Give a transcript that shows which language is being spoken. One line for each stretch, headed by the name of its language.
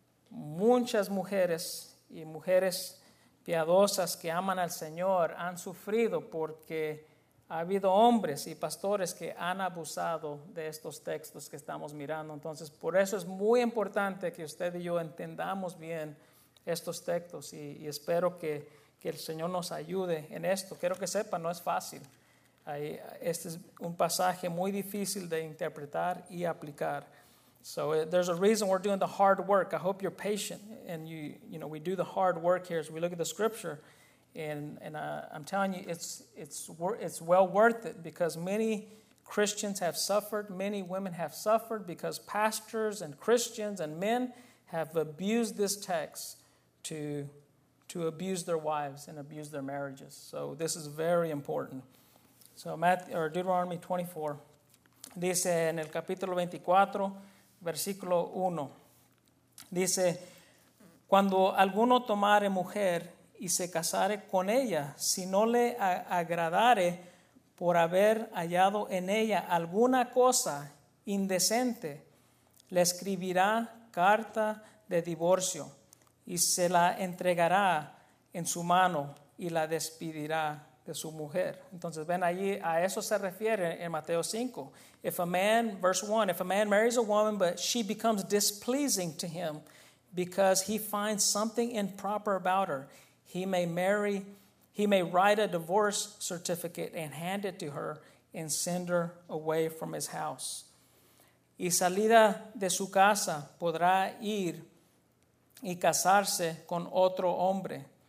Spanish: Muchas mujeres y mujeres piadosas que aman al Señor han sufrido porque ha habido hombres y pastores que han abusado de estos textos que estamos mirando. Entonces, por eso es muy importante que usted y yo entendamos bien estos textos y espero que el Señor nos ayude en esto. Quiero que sepa, no es fácil. Este es un pasaje muy difícil de interpretar y aplicar.
English: So there's a reason we're doing the hard work. I hope you're patient and you know we do the hard work here as we look at the scripture, and I'm telling you it's well worth it because many Christians have suffered, many women have suffered because pastors and Christians and men have abused this text to abuse their wives and abuse their marriages. So this is very important.
Spanish: So Deuteronomy 24 dice en el capítulo 24 versículo 1, dice, cuando alguno tomare mujer y se casare con ella, si no le agradare por haber hallado en ella alguna cosa indecente, le escribirá carta de divorcio y se la entregará en su mano y la despedirá de su mujer. Entonces ven allí, a eso se refiere en Mateo 5.
English: If a man, verse 1, if a man marries a woman but she becomes displeasing to him because he finds something improper about her, he may write a divorce certificate and hand it to her and send her away from his house.
Spanish: Y salida de su casa podrá ir y casarse con otro hombre.